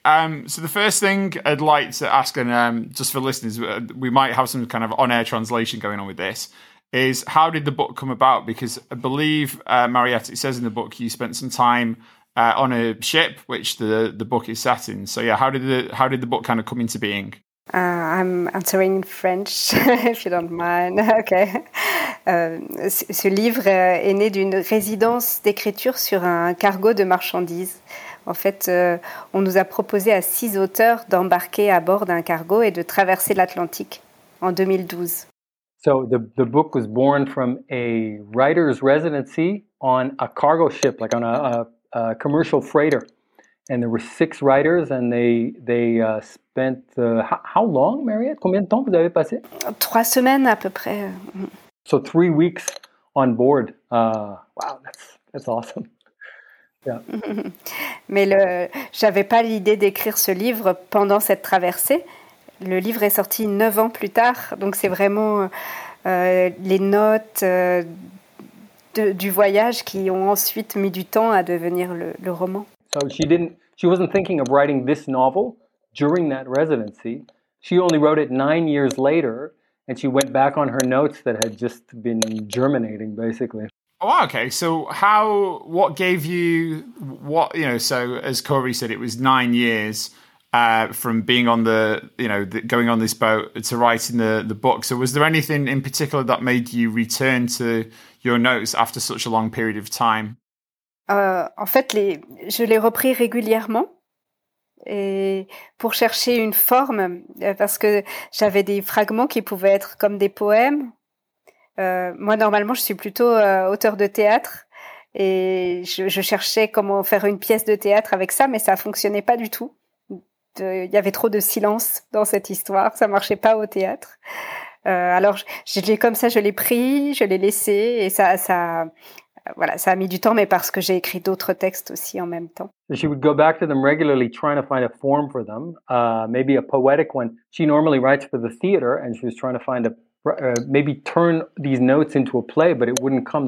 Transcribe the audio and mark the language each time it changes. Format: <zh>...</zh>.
<en>So the first thing I'd like to ask, and just for listeners, we might have some kind of on-air translation going on with this, is how did the book come about? Because I believe, Mariette, it says in the book you spent some time on a ship, which the book is set in. So yeah, how did the book kind of come into being? I'm answering in French, if you don't mind. Okay.</en> <fr>Ce livre est né d'une résidence d'écriture sur un cargo de marchandises. En fait, on nous a proposé à 6 auteurs d'embarquer à bord d'un cargo et de traverser l'Atlantique en 2012.</fr> <en>So the book was born from a writer's residency on a cargo ship, like on a commercial freighter. And there were 6 writers and they spent... how long,</en> <fr>Mariette? Combien de temps vous avez passé? 3 semaines à peu près.</fr> <en>So 3 weeks on board. Wow, that's awesome. Yeah.</en> <fr>Mais j'avais pas l'idée d'écrire ce livre pendant cette traversée. Le livre est sorti 9 ans plus tard, donc c'est vraiment les notes du voyage qui ont ensuite mis du temps à devenir le roman.</fr> <en>So she wasn't thinking of writing this novel during that residency. She only wrote it 9 years later, and she went back on her notes that had just been germinating, basically. Oh, okay. So so as Corey said, it was 9 years from being on going on this boat to writing the book. So was there anything in particular that made you return to your notes after such a long period of time?</en> <fr>En fait, je l'ai repris régulièrement et pour chercher une forme parce que j'avais des fragments qui pouvaient être comme des poèmes. Moi, normalement, je suis plutôt auteur de théâtre et je cherchais comment faire une pièce de théâtre avec ça, mais ça ne fonctionnait pas du tout. Il y avait trop de silence dans cette histoire, ça ne marchait pas au théâtre. Alors, je l'ai pris, je l'ai laissé et ça a mis du temps, mais parce que j'ai écrit d'autres textes aussi en même temps.</fr> <en>She would go back to them regularly, trying to find a form for them, maybe a poetic one. She normally writes for the theater and she was trying to find a maybe turn these notes into a play, but it wouldn't come.</en>